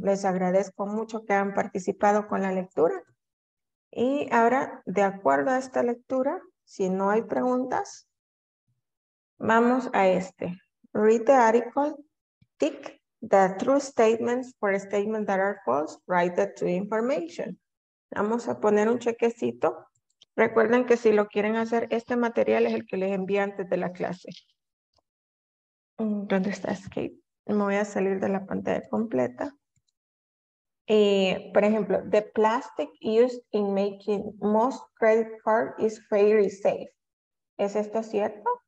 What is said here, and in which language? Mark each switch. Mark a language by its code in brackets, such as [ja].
[es] Les agradezco mucho que han participado con la lectura. Y ahora, de acuerdo a esta lectura, si no hay preguntas, vamos a este. [en] Read the article. Tick the true statements for statements that are false. Write the true information. [es] Vamos a poner un chequecito. Recuerden que si lo quieren hacer, este material es el que les envié antes de la clase. ¿Dónde está Escape? Me voy a salir de la pantalla completa. Por ejemplo, [en] the plastic used in making most credit cards is very safe. [es] ¿Es esto cierto?